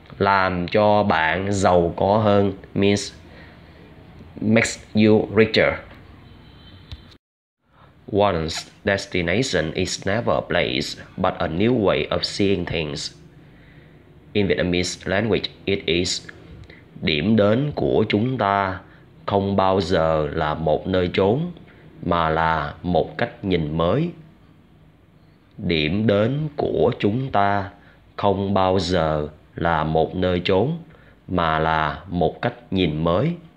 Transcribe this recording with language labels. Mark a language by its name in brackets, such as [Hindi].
[Vietnamese] Làm cho bạn giàu có hơn [English] means makes you richer. One's destination is never a place, but a new way of seeing things. In Vietnamese language, it is [Vietnamese] điểm đến của chúng ta không bao giờ là một nơi chốn, mà là một cách nhìn mới. Điểm đến của chúng ta không bao giờ là một nơi chốn, mà là một cách nhìn mới.